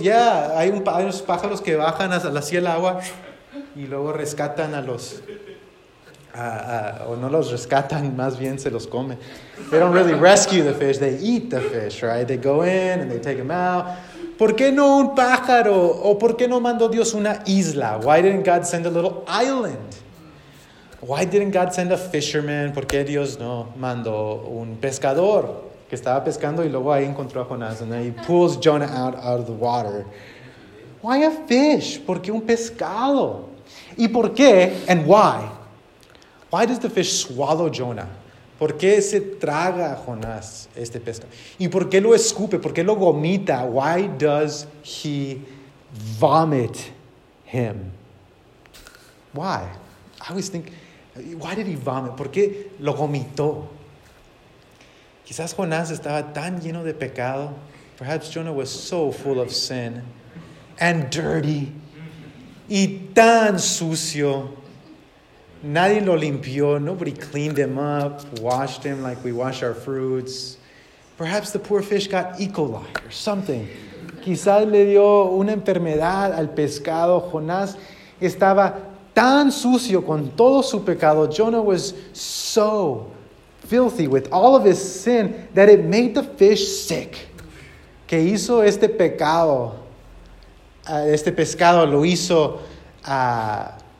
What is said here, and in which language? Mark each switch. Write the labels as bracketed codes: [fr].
[es] Yeah, hay unos pájaros que bajan hacia el agua y luego rescatan a los... no los rescatan, más bien se los comen. [en] They don't really rescue the fish, they eat the fish, right? They go in and they take them out. [es] ¿Por qué no un pájaro? ¿O por qué no mandó Dios una isla? [en] Why didn't God send a little island? Why didn't God send a fisherman? [es] ¿Por qué Dios no mandó un pescador que estaba pescando y luego ahí encontró a Jonás? [en] And then he pulls Jonah out of the water. Why a fish? [es] ¿Por qué un pescado? ¿Y por qué? [en] And why? Why does the fish swallow Jonah? [es] ¿Por qué se traga a Jonás este pescado? ¿Y por qué lo escupe? ¿Por qué lo vomita? [en] Why does he vomit him? Why? I always think, why did he vomit? [es] ¿Por qué lo vomitó? Quizás Jonás estaba tan lleno de pecado. [en] Perhaps Jonah was so full of sin and dirty [es] y tan sucio. Nadie lo limpió. [en] Nobody cleaned him up, washed him like we wash our fruits. Perhaps the poor fish got E. coli or something. [es] Quizás le dio una enfermedad al pescado. Jonás estaba tan sucio con todo su pecado. [en] Jonah was so filthy with all of his sin that it made the fish sick. [es] Que hizo este pecado, este pescado lo hizo a...